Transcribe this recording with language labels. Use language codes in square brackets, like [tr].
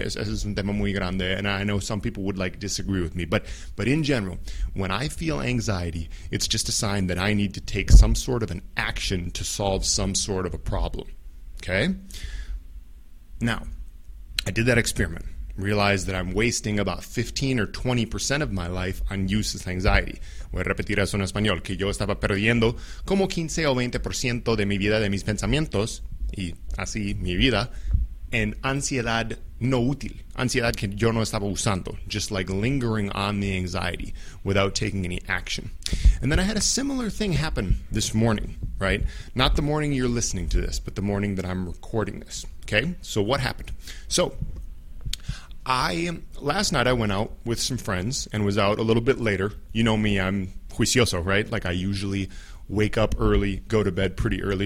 [es] Es un tema muy grande, [en] and I know some people would like disagree with me, but in general, when I feel anxiety, it's just a sign that I need to take some sort of an action to solve some sort of a problem, okay? Now, I did that experiment, realized that I'm wasting about 15 or 20% of my life on useless anxiety. [es] Voy a repetir eso en español, que yo estaba perdiendo como 15 o 20% de mi vida, de mis pensamientos, y así mi vida, en ansiedad no útil, ansiedad que yo no estaba usando, [en] just like lingering on the anxiety without taking any action. And then I had a similar thing happen this morning, right? Not the morning you're listening to this, but the morning that I'm recording this, okay? So what happened? So last night I went out with some friends and was out a little bit later. You know me, I'm juicioso, right? Like I usually wake up early, go to bed pretty early.